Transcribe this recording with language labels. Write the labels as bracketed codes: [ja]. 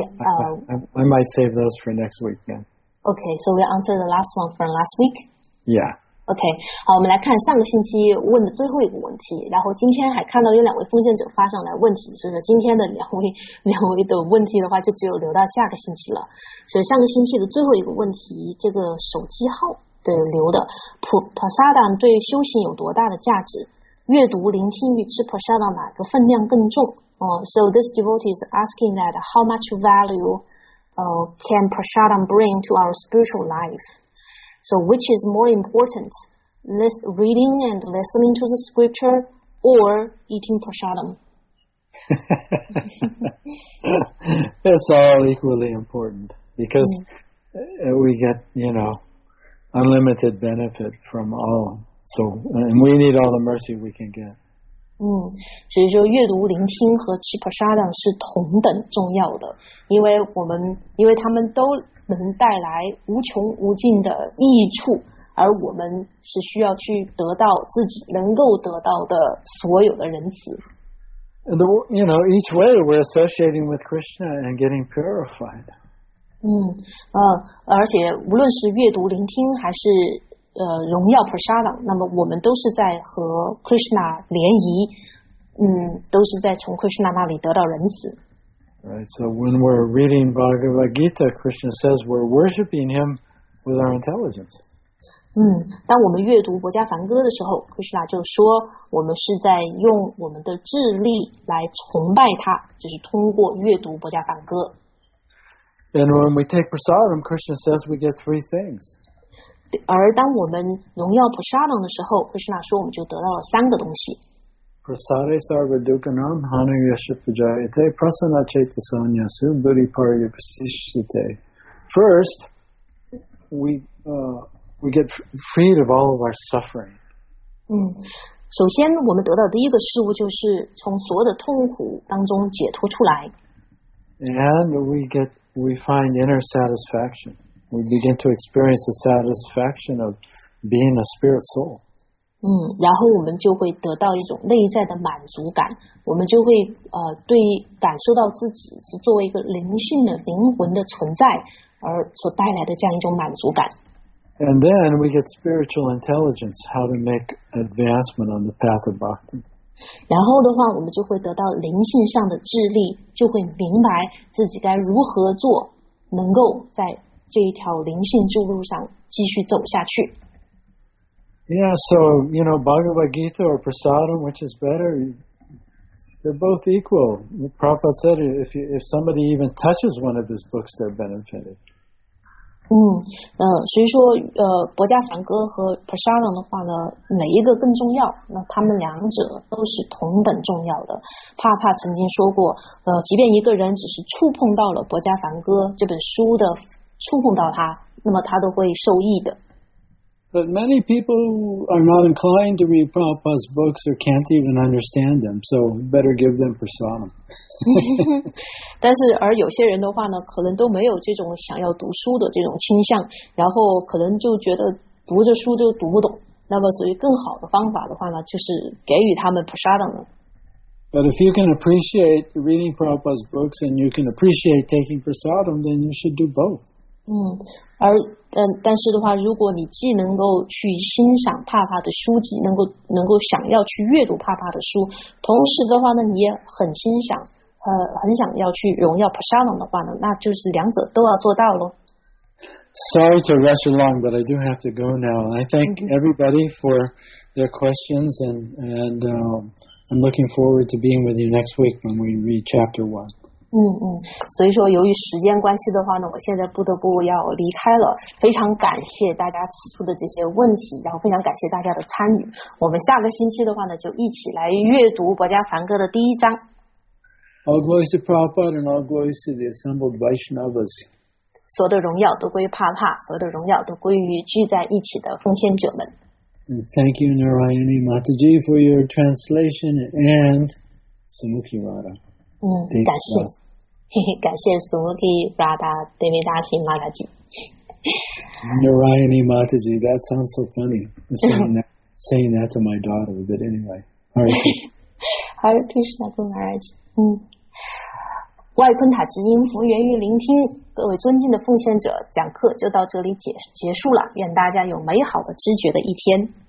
[en] I might save those for next week, then. Okay, so we answer the last one from last week? Yeah. [zh] Okay, 好，我们来看上个星期问的最后一个问题，然后今天还看到有两位奉献者发上来问题，所以说今天的两位的问题的话就只有留到下个星期了。所以上个星期的最后一个问题，这个手机号的留的，普萨丹对修行有多大的价值？阅读、聆听与吃 prasada 哪个分量更重？ [en] So this devotee is asking that how much value can prasada bring to our spiritual life? So which is more important, reading and listening to the scripture or eating prasada? It's all equally important because we get, unlimited benefit from all So, and we need all the mercy we can get. [zh] 所以说阅读、聆听和吃 prasadam 是同等重要的，因为我们，因为他们都能带来无穷无尽的益处，而我们是需要去得到自己能够得到的所有的仁慈。 [en] And the, you know, each way we're associating with Krishna and getting purified. [zh] 而且无论是阅读、聆听还是荣耀 prasadam， 那么我们都是在和 Krishna 联谊，都是在从 Krishna 那里得到仁慈。 [en] Right, so when we're reading Bhagavad Gita, Krishna says we're worshipping him with our intelligence. [zh] 当我们阅读《薄伽梵歌》的时候 ，Krishna 就说我们是在用我们的智力来崇拜他，就是通过阅读《薄伽梵歌》。 [en] And when we take prasadam, Krishna says we get three things. [zh] 而当我们荣耀普沙朗的时候，Krishna说我们就得到了三个东西。 [sa] Prasade sarva dukanam hanu yashapajayate prasana chaitasanya subhuti parya pasishite. [en] First, we get freed of all of our suffering. [zh] 首先我们得到的第一个事物就是从所有的痛苦当中解脱出来。 [en] And we find inner satisfaction. We begin to experience the satisfaction of being a spirit soul. [zh] 然后我们就会得到一种内在的满足感，我们就会对感受到自己是作为一个灵性的灵魂的存在而所带来的这样一种满足感。 [en] And then we get spiritual intelligence, how to make advancement on the path of bhakti. [zh] 然后的话，我们就会得到灵性上的智力，就会明白自己该如何做，能够在这一条灵性之路上继续走下去。 [en] Yeah, so you know, Bhagavad Gita or Prasadam, which is better? They're both equal. Prabhupada said, if somebody even touches one of his books, they're benefited. [zh] 所以说薄伽梵歌和 Prasadam 的话呢，哪一个更重要？那他们两者都是同等重要的。Prabhupada曾经说过，即便一个人只是触碰到了薄伽梵歌这本书的。触碰到他，那么他都会受益的。 [en] But many people are not inclined to read Prabhupada's books or can't even understand them, so better give them prasadam. [zh] 但是而有些人的话呢，可能都没有这种想要读书的这种倾向，然后可能就觉得读着书就读不懂。那么所以更好的方法的话呢，就是给予他们 prasadam。 [en] But if you can appreciate reading Prabhupada's books and you can appreciate taking prasadam, then you should do both. [zh] 但是的话，如果你既能够去欣赏帕帕的书籍，能够想要去阅读帕帕的书，同时的话呢，你也很欣赏，很想要去荣耀 prasadam 的话呢，那就是两者都要做到咯。 [en] Sorry to rush along, but I do have to go now. I thank everybody for their questions, and I'm looking forward to being with you next week when we read chapter one. [zh] 所以说由于时间关系的话呢，我现在不得不要离开了。非常感谢大家提出的这些问题，然后非常感谢大家的参与。我们下个星期的话呢，就一起来阅读《薄伽梵歌》的第一章。 [en] All glories to Prabhupada and all glories to the assembled Vaishnavas. [zh] 所有的荣耀都归帕帕，所有的荣耀都归于聚在一起的奉献者们。 [en] And thank you, Narayani Mataji, for your translation and Sumukhi Radha. [zh] 感谢，嘿嘿，感谢 Sumukhi Radha Devi Dasi Mataji. [en] Narayani Mataji, that sounds so funny, saying that to my daughter, but anyway. Hare Krishna, Kumaraji. [zh] 外昆塔之音服务源于聆听，各位尊敬的奉献者，讲课就到这里结束了，愿大家有美好的知觉的一天。